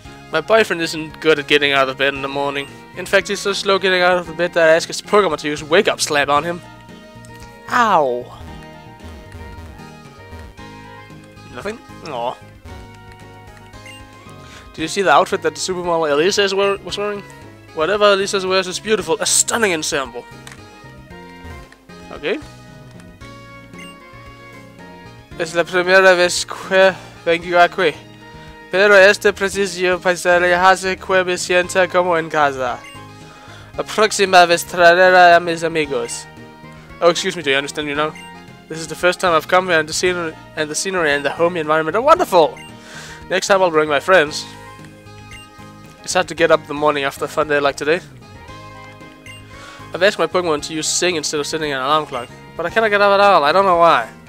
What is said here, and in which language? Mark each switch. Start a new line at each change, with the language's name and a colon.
English: My boyfriend isn't good at getting out of bed in the morning. In fact, he's so slow getting out of the bed that I ask his Pokemon to use Wake Up Slap on him. Ow! Nothing? Aww. Did you see the outfit that the supermodel Elisa was wearing? Whatever Elisa wears is beautiful, a stunning ensemble. Okay.
Spanish: Es la primera vez que vengo aquí. Pero este preciso paisaje hace que me sienta como en casa. La próxima vez traeré a mis amigos.
English: Oh, excuse me, do you understand me now? This is the first time I've come here and the scenery and the homey environment are wonderful! Next time I'll bring my friends. It's hard to get up in the morning after a fun day like today. I've asked my Pokemon to use Sing instead of setting an alarm clock, but I cannot get up at all, I don't know why.